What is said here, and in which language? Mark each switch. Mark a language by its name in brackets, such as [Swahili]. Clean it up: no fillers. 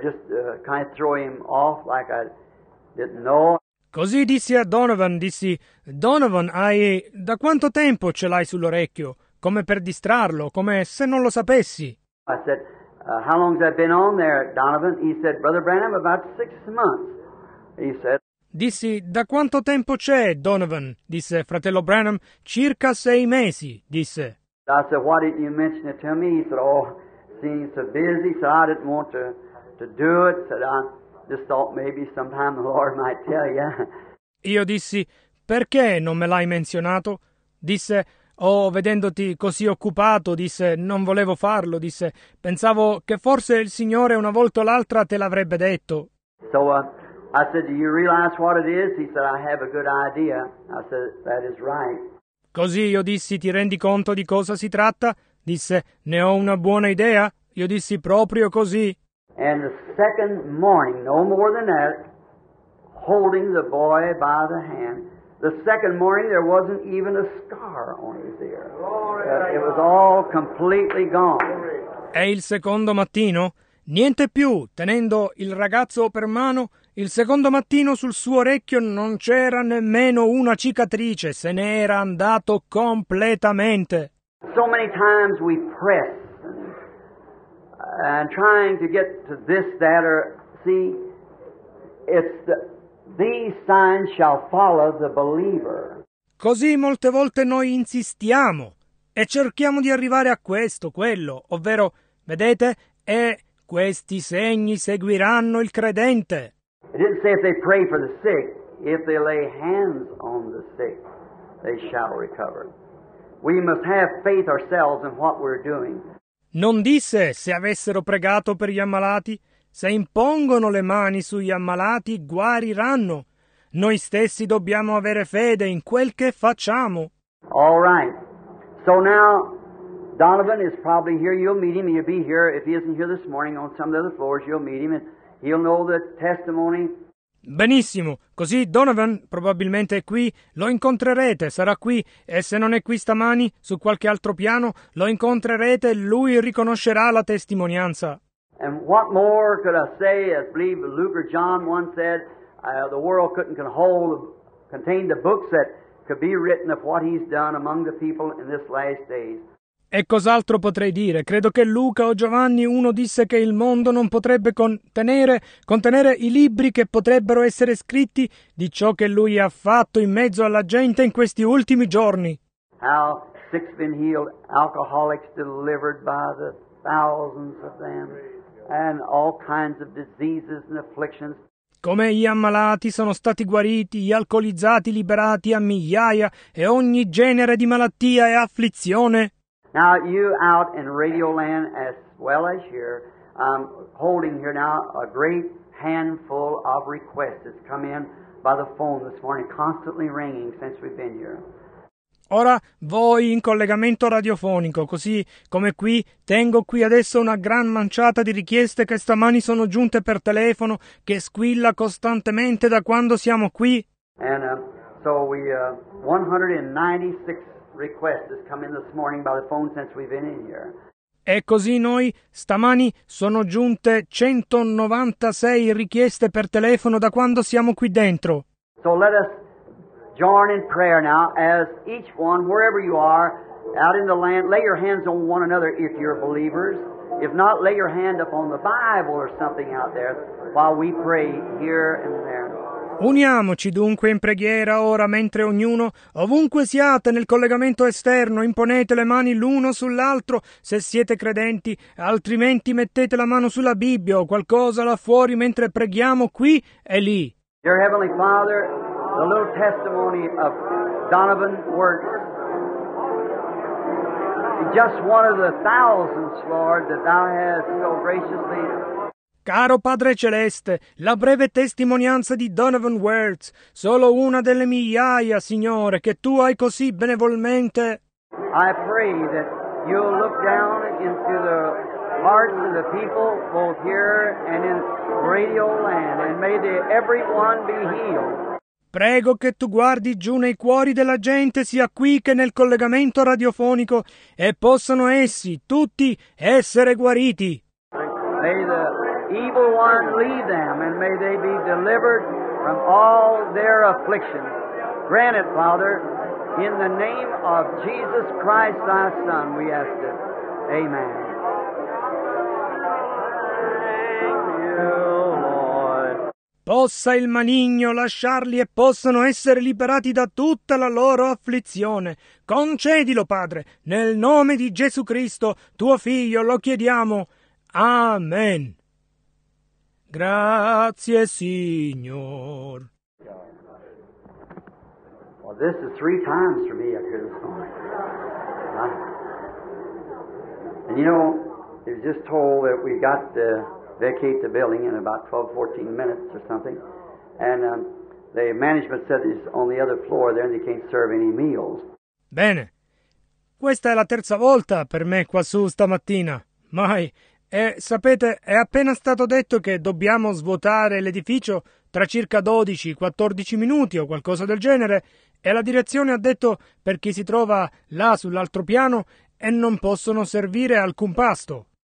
[English] Just kind of throw him off like I didn't know. [Italian] Così dissi a Donovan, dissi, Donovan, da quanto tempo ce l'hai sull'orecchio? Come per distrarlo, come se non lo sapessi. [English] I said, how long has that been on there, Donovan? He said, Brother Branham, about 6 months, he said. [Italian] Dissi, da quanto tempo c'è, Donovan? Disse fratello Branham, circa 6 mesi, disse. [English] I said, why didn't you mention it to me? He said, oh, seems so busy, so I didn't want to do it, said I. Just thought maybe sometime the Lord might tell you. [Italian] Io dissi, perché non me l'hai menzionato? Disse, oh, vedendoti così occupato, disse, non volevo farlo, disse, pensavo che forse il Signore una volta o l'altra te l'avrebbe detto. [English] So I said, do you realize what it is? He said, I have a good idea. I said, that is right. [Italian] Così io dissi, ti rendi conto di cosa si tratta? Disse, ne ho una buona idea? Io dissi, proprio così. [English] And the second morning, no more than that, holding the boy by the hand, the second morning there wasn't even a scar on his ear. It was all completely gone. [Italian] E il secondo mattino, niente più, tenendo il ragazzo per mano, il secondo mattino sul suo orecchio non c'era nemmeno una cicatrice, se ne era andato completamente. [English] So many times we press. And trying to get to this, that, or see, it's these signs shall follow the believer. [Italian] Così molte volte noi insistiamo e cerchiamo di arrivare a questo, quello, ovvero, vedete, e questi segni seguiranno il credente. [English] It didn't say if they pray for the sick, if they lay hands on the sick, they shall recover. We must have faith ourselves in what we're doing. [Italian] Non disse se avessero pregato per gli ammalati, se impongono le mani sugli ammalati guariranno. Noi stessi dobbiamo avere fede in quel che facciamo. [English] All right. So now Donovan is probably here. You'll meet him. He'll be here. If he isn't here this morning on some of the other floors, you'll meet him and he'll know the testimony. [Italian] Benissimo. Così Donovan probabilmente è qui. Lo incontrerete. Sarà qui. E se non è qui stamani, su qualche altro piano, lo incontrerete. Lui riconoscerà la testimonianza. [English] And what more could I say? I believe Luke or John once said, the world couldn't contain the books that could be written of what he's done among the people in this last days. [Italian] E cos'altro potrei dire? Credo che Luca o Giovanni uno disse che il mondo non potrebbe contenere i libri che potrebbero essere scritti di ciò che lui ha fatto in mezzo alla gente in questi ultimi giorni. [English] How six been healed, alcoholics delivered by the thousands of them, and all kinds of diseases and afflictions. [Italian] Come gli ammalati sono stati guariti, gli alcolizzati liberati a migliaia e ogni genere di malattia e afflizione. [English] Now you out in Radio Land as well as here, holding here now a great handful of requests that's come in by the phone this morning, constantly ringing since we've been here. [Italian] Ora voi in collegamento radiofonico, così come qui, tengo qui adesso una gran manciata di richieste che stamani sono giunte per telefono, che squilla costantemente da quando siamo qui. [English] And so we 196 requests has come in this morning by the phone since we've been in here. [Italian] E così noi stamani sono giunte 196 richieste per telefono da quando siamo qui dentro. [English] So let us join in prayer now as each one, wherever you are, out in the land, lay your hands on one another if you're believers. If not, lay your hand up on the Bible or something out there while we pray here and there. [Italian] Uniamoci dunque in preghiera ora mentre ognuno, ovunque siate nel collegamento esterno, imponete le mani l'uno sull'altro se siete credenti, altrimenti mettete la mano sulla Bibbia o qualcosa là fuori mentre preghiamo qui e lì. [English] Dear Heavenly Father, the little testimony of Donovan works. Just one of the thousands, Lord, that thou hast so graciously. [Italian] Caro Padre Celeste, la breve testimonianza di Donovan Wertz, solo una delle migliaia, Signore, che Tu hai così benevolmente. [English] I pray that you'll look down into the hearts of the people, both here and in Radio Land, and may they, everyone be healed. [Italian] Prego che tu guardi giù nei cuori della gente, sia qui che nel collegamento radiofonico, e possano essi, tutti, essere guariti. [English] May the evil one leave them, and may they be delivered from all their afflictions. Grant it, Father, in the name of Jesus Christ, thy Son, we ask it. Amen. Thank you, Lord. [Italian] Possa il maligno lasciarli e possano essere liberati da tutta la loro afflizione. Concedilo, Padre, nel nome di Gesù Cristo, tuo Figlio, lo chiediamo. Amen. Grazie, Signor. [English] Well, this is three times for me up here this morning. And you know, it was just told that we got to vacate the building in about 12, 14 minutes or something. And the management said it's on the other floor there and they can't serve any meals. [Italian] Bene. Questa è la terza volta per me qua su stamattina. Mai. E sapete, è appena stato detto che dobbiamo svuotare l'edificio tra circa 12-14 minuti o qualcosa del genere, e la direzione ha detto per chi si trova là sull'altro piano e non possono servire alcun pasto.